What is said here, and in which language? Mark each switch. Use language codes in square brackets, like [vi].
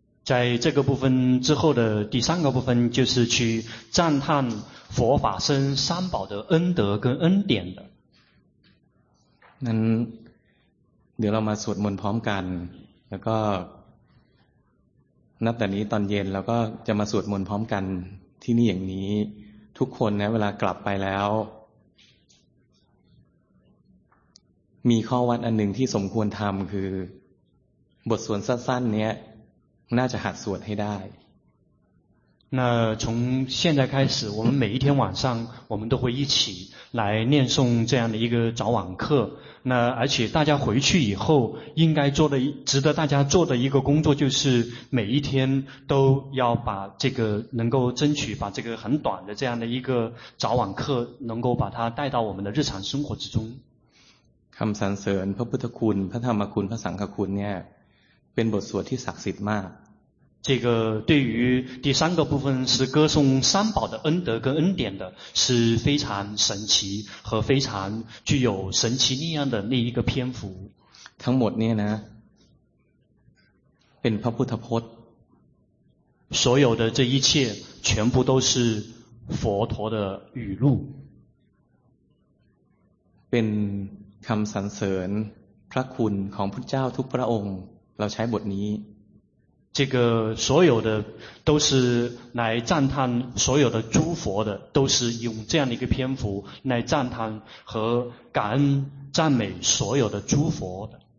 [zh] 在这个部分之后的第三个部分就是去赞叹佛法僧三宝的恩德跟恩典的 [th] นั้นเดี๋ยวเรามาสวดมนต์พร้อมกันแล้วก็นับแต่นี้ตอนเย็นเราก็จะมาสวดมนต์พร้อมกันที่นี่อย่างนี้ทุกคนนะเวลากลับไปแล้วมีข้อวัดอันหนึ่งที่สมควรทำคือบทสวดสั้นๆนี้น่าจะหัดสวดให้ได้ [zh] 那从现在开始我们每一天晚上我们都会一起来念诵这样的一个早晚课那而且大家回去以后应该做的值得大家做的一个工作就是每一天都要把这个能够争取把这个很短的这样的一个早晚课能够把它带到我们的日常生活之中 [th] คำสรรเสริญพระพุทธคุณพระธรรมคุณพระสังฆคุณเนี่ยเป็นบทสวดที่ศักดิ์สิทธิ์มาก [zh] 这个对于第三个部分是歌颂三宝的恩德跟恩典的是非常神奇和非常具有神奇力量的那一个篇幅 [th] ทั้งหมดเนี่ยนะเป็นพระพุทธพจน์ [zh] 所有的这一切全部都是佛陀的语录 [th] เป็นคำสรรเสริญพระคุณของพุทธเจ้าทุกพระองค์เราใช้บทนี้ [zh] 这个所有的都是来赞叹所有的诸佛的都是用这样的一个篇幅来赞叹和感恩赞美所有的诸佛的